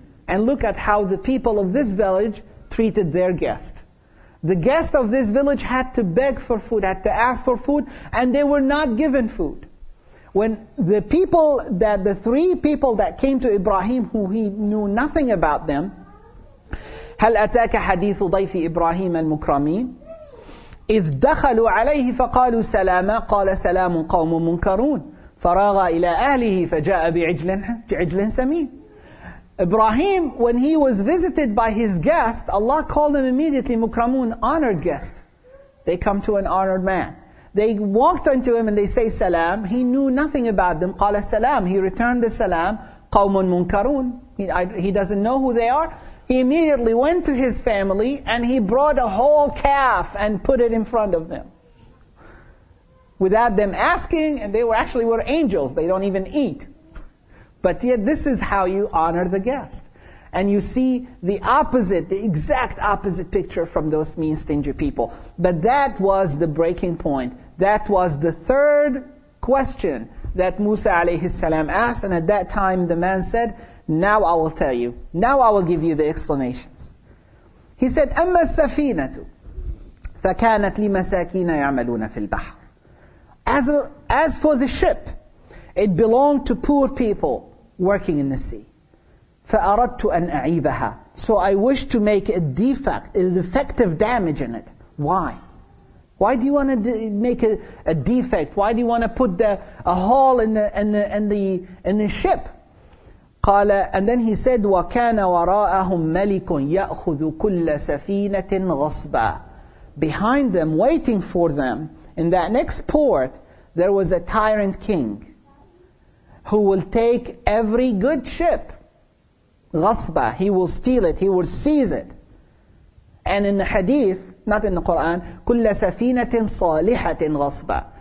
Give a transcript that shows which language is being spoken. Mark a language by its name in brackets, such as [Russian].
[English] And look at how the people of this village treated their guest. The guest of this village had to beg for food, had to ask for food, and they were not given food. When the three people that came to Ibrahim, who he knew nothing about them, [Arabic] هل أتاك حديث ضيف إبراهيم المكرمين إذ دخلوا عليه فقالوا سلاما قال سلام قوم منكرون فراغ إلى أهله فجاء بعجل سمين. [English] Ibrahim, when he was visited by his guest, Allah called him immediately مكرمون, honored guest. They come to an honored man. They walked into him and they say سلام. He knew nothing about them. [Arabic] قال سلام. [English] He returned the سلام. [Arabic] قوم منكرون. [English] He doesn't know who they are. He immediately went to his family and he brought a whole calf and put it in front of them. Without them asking, and they were angels, they don't even eat. But yet this is how you honor the guest. And you see the opposite, the exact opposite picture from those mean, stingy people. But that was the breaking point. That was the third question that Musa alayhi salam asked. And at that time the man said, now I will tell you. Now I will give you the explanations. He said, [Arabic] أَمَّا السَّفِينَةُ فَكَانَتْ لِمَسَاكِينَ يَعْمَلُونَ فِي الْبَحْرِ. [English] As for the ship, it belonged to poor people working in the sea. [Arabic] فَأَرَدْتُ أَنْ أَعِيبَهَا. [English] So I wish to make a defect, a defective damage in it. Why? Why do you want to make a defect? Why do you want to put a hole in the ship? [Arabic] قَالَ. [English] And then he said, [Arabic] وَكَانَ وَرَاءَهُمْ مَلِكٌ يَأْخُذُ كُلَّ سَفِينَةٍ غَصْبًا. [English] Behind them, waiting for them, in that next port, there was a tyrant king who will take every good ship. [Arabic] غَصْبًا. [English] He will steal it. He will seize it. And in the hadith, not in the Quran, [Arabic] كُلَّ سَفِينَةٍ صَالِحَةٍ غَصْبًا.